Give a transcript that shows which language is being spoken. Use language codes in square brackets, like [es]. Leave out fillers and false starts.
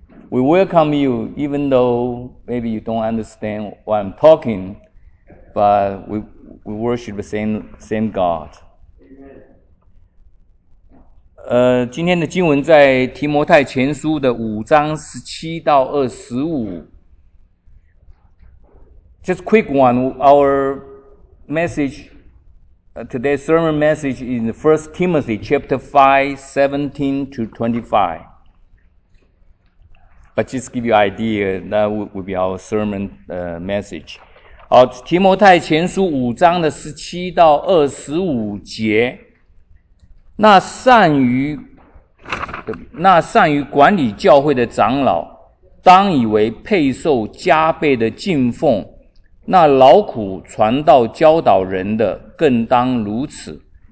[en] We welcome you, even though maybe you don't understand what I'm talking, but we worship the same God. [zh] 今天的经文在提摩太前书的5章17到25。 [en] Just quick one, our message, today's sermon message is in 1 Timothy chapter 5, 17 to 25. But just give you an idea, that would be our sermon message. [zh] 好，提摩太前书5章的17到25节。那善于管理教会的长老，当以为配受加倍的敬奉；那劳苦传道教导人的，更当如此。